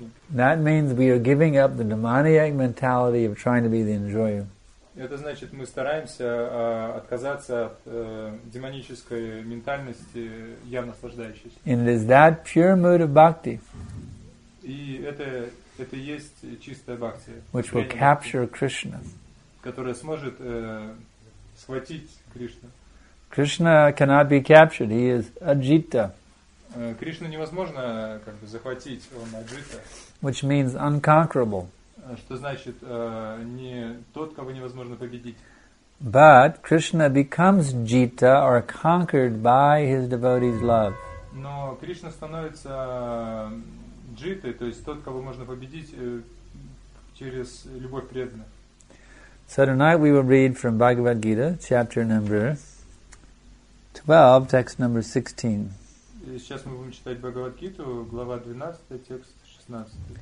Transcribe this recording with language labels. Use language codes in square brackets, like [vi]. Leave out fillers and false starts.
[en] That means we are giving up the demoniac mentality of trying to be the enjoyer. [ru] Это значит, мы стараемся отказаться от демонической ментальности я наслаждающийся. [en] And it is that pure mood of bhakti. [ru] И это есть чистая бхакти. [en] Which will capture Krishna. [ru] Которая сможет схватить Кришну. [en] Krishna cannot be captured. He is ajita. [ru] Кришну невозможно как бы захватить, он аджита. [en] Which means unconquerable. [ru] Что значит не тот, кого невозможно победить. [en] But Krishna becomes jita or conquered by his devotees' love. [ru] Но Кришна становится джитой, то есть тот, кого можно победить через любовь преданных. [en] So tonight we will read from Bhagavad Gita, chapter number 12, text number 16. [ru] Сейчас мы будем читать Бхагавад-гиту, глава 12, текст 16.